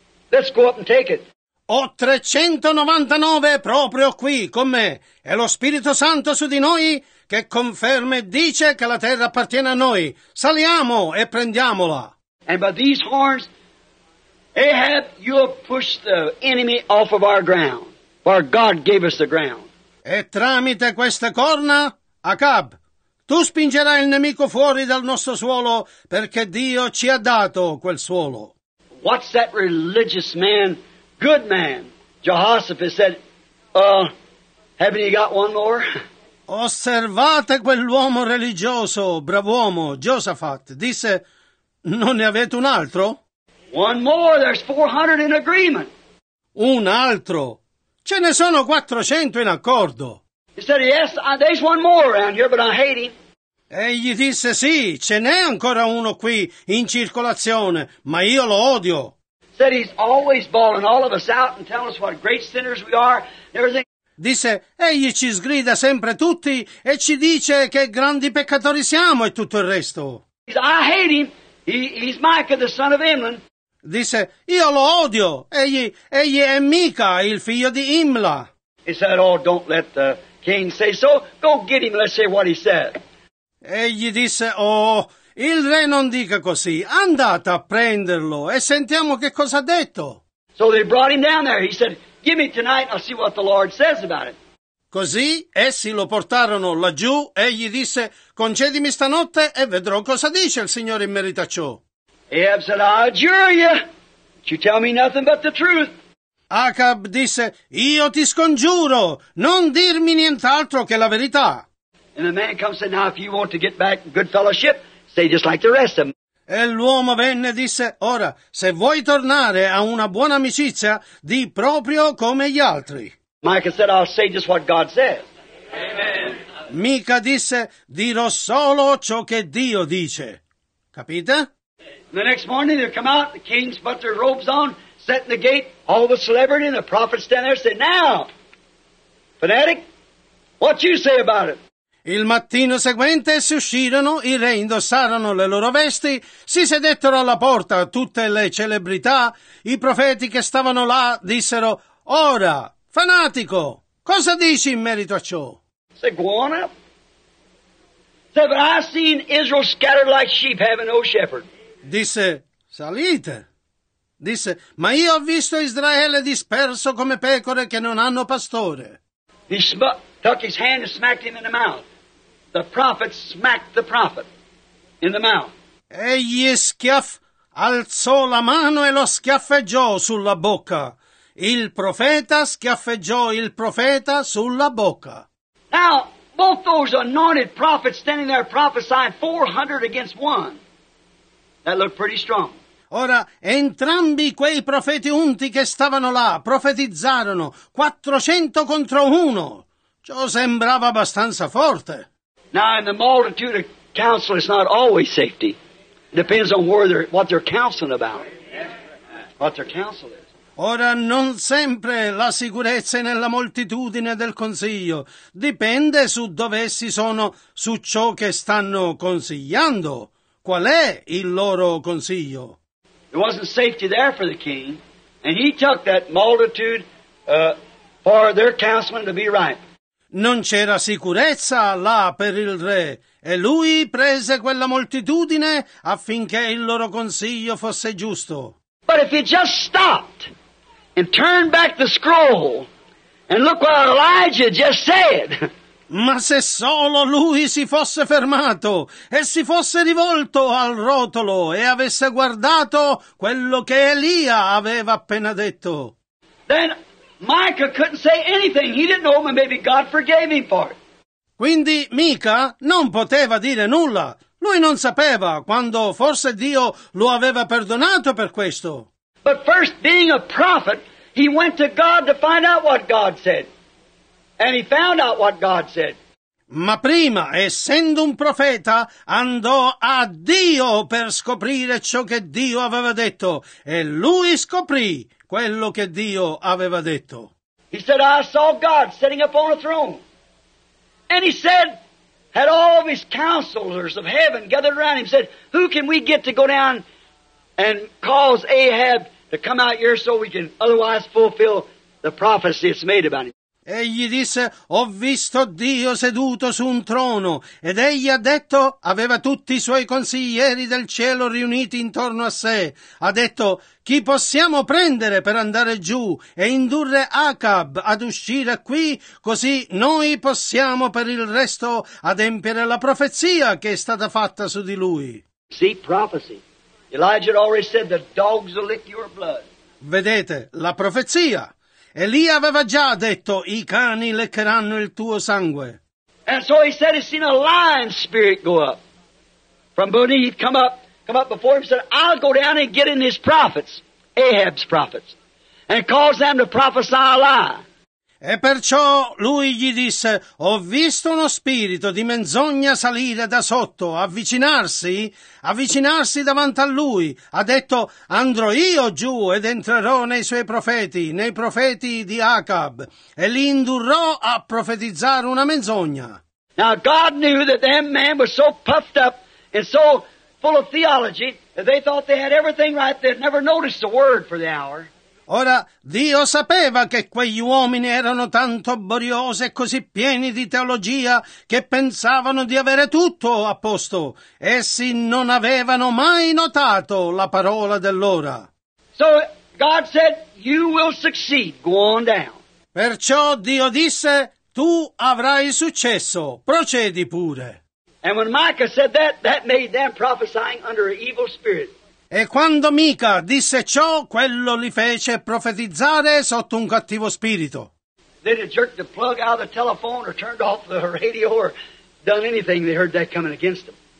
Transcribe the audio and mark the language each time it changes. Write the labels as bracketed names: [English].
[English] Let's go up and take it. [Italian] Ho 399 proprio qui con me, e lo Spirito Santo su di noi che conferma e dice che la terra appartiene a noi. Saliamo e prendiamola. [English] And by these horns, Ahab, you have pushed the enemy off of our ground, for God gave us the ground. [Italian] E tramite queste corna, Acab, tu spingerai il nemico fuori dal nostro suolo perché Dio ci ha dato quel suolo. [English] What's that religious man? Good man, Jehoshaphat said, haven't you got one more? [Italian] Osservate quell'uomo religioso, brav'uomo, Jehoshaphat, disse, non ne avete un altro? [English] One more, there's 400 in agreement. [Italian] Un altro? Ce ne sono 400 in accordo. [English] He said, yes, there's one more around here, but I hate him. [Italian] Egli disse, sì, ce n'è ancora uno qui in circolazione, ma io lo odio. [English] Said he's always bawling all of us out and telling us what great sinners we are. Everything. [Italian] Disse, egli ci sgrida sempre tutti e ci dice che grandi peccatori siamo e tutto il resto. [English] I hate him. He's Micah, the son of Imlah. [Italian] Disse, io lo odio. Egli è Mica, il figlio di Imla. [English] He said, oh, don't let the king say so. Go get him, let's say what he said. [Italian] Egli disse, oh, il re non dica così, andate a prenderlo e sentiamo che cosa ha detto. [English] So they brought him down there. He said, give me tonight, I'll see what the Lord says about it. [Italian] Così essi lo portarono laggiù e gli disse, concedimi stanotte e vedrò cosa dice il Signore in merito a ciò. [English] Ahab said, I adjure you, but you tell me nothing but the truth. [Italian] Acab disse, io ti scongiuro, non dirmi nient'altro che la verità. [English] And the man comes and said, now if you want to get back good fellowship, say just like the rest of them. [Italian] E l'uomo venne e disse, ora, se vuoi tornare a una buona amicizia, di proprio come gli altri. [English] Micah said, I'll say just what God says. Amen. [Italian] Mica disse, dirò solo ciò che Dio dice. Capite? [English] The next morning they come out, the king's put their robes on, set in the gate, all the celebrity and the prophets stand there and say, now, fanatic, what you say about it? [Italian] Il mattino seguente si uscirono, i re indossarono le loro vesti, si sedettero alla porta tutte le celebrità, i profeti che stavano là dissero, ora, fanatico, cosa dici in merito a ciò? [English] Say, go on up. Say, but I've seen Israel scattered like sheep having no shepherd. [Italian] Disse, salite. Disse, ma io ho visto Israele disperso come pecore che non hanno pastore. [English] Tuck his hand and smacked him in the mouth. The prophet smacked the prophet in the mouth. [Italian] Egli alzò la mano e lo schiaffeggiò sulla bocca. Il profeta schiaffeggiò il profeta sulla bocca. [English] Now, Both those anointed prophets standing there prophesying 400 against one. That looked pretty strong. [Italian] Ora, entrambi quei profeti unti che stavano là profetizzarono 400 contro uno. Ciò sembrava abbastanza forte. [English] Now, in the multitude of counsel, it's not always safety. It depends on where they're, what they're counseling about. What their counsel is. [Italian] Ora, non sempre la sicurezza è nella moltitudine del consiglio. Dipende su dove essi sono, su ciò che stanno consigliando. Qual è il loro consiglio? [English] There wasn't safety there for the king, and he took that multitude for their counseling to be right. [Italian] Non c'era sicurezza là per il re, e lui prese quella moltitudine affinché il loro consiglio fosse giusto. [English] But if he just stopped and turned back the scroll and look what Elijah just said. [Italian] Ma se solo lui si fosse fermato e si fosse rivolto al rotolo e avesse guardato quello che Elia aveva appena detto. [English] Then Micah couldn't say anything. He didn't know, but maybe God forgave him for it. [Italian] Quindi Mica non poteva dire nulla. Lui non sapeva quando forse Dio lo aveva perdonato per questo. [English] But first, being a prophet, he went to God to find out what God said. And he found out what God said. [Italian] Ma prima, essendo un profeta, andò a Dio per scoprire ciò che Dio aveva detto. E lui scoprì quello che Dio aveva detto. [English] He said, I saw God sitting upon a throne. And he said, had all of his counselors of heaven gathered around him, said, who can we get to go down and cause Ahab to come out here so we can otherwise fulfill the prophecy that's made about him? [Italian] Egli disse, ho visto Dio seduto su un trono, ed egli ha detto, aveva tutti i suoi consiglieri del cielo riuniti intorno a sé, ha detto, chi possiamo prendere per andare giù e indurre Acab ad uscire qui, così noi possiamo per il resto adempiere la profezia che è stata fatta su di lui. [English] See, prophecy. Elijah had already said, the dogs will lick your blood. [Italian] Vedete, la profezia. Elia aveva già detto, i cani leccheranno il tuo sangue. [English] And so he said, he's seen a lion spirit go up. From beneath, come up before him, said, I'll go down and get in his prophets, Ahab's prophets, and cause them to prophesy a lie. [Italian] E perciò lui gli disse, ho visto uno spirito di menzogna salire da sotto, avvicinarsi davanti a lui. Ha detto, andrò io giù ed entrerò nei suoi profeti, nei profeti di Acab, e li indurrò a profetizzare una menzogna. [English] Now God knew that them men were so puffed up and so full of theology that they thought they had everything right, they'd never noticed a word for the hour. [Italian] Ora, Dio sapeva che quegli uomini erano tanto boriosi e così pieni di teologia che pensavano di avere tutto a posto. Essi non avevano mai notato la parola dell'ora. [English] So God said, you will succeed. Go on down. [Italian] Perciò Dio disse, tu avrai successo. Procedi pure. [English] And when Micah said that made them prophesying under an evil spirit. [Italian] E quando Mica disse ciò, quello li fece profetizzare sotto un cattivo spirito. [English] They didn't jerk the plug out of the telephone or turned off the radio or done anything they heard that coming against them.